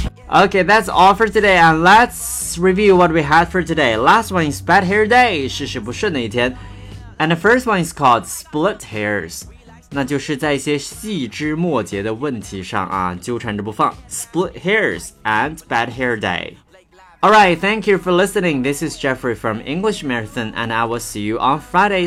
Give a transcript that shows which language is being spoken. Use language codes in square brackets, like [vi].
[en] Okay, that's all for today, and let's review what we had for today. Last one is bad hair day, [zh] 事事不顺的一天。 [en] And the first one is called split hairs. [zh] 那就是在一些细枝末节的问题上啊，纠缠着不放。 [en] Split hairs and bad hair day. Alright, thank you for listening. This is Jeffrey from English Marathon, and I will see you on Friday.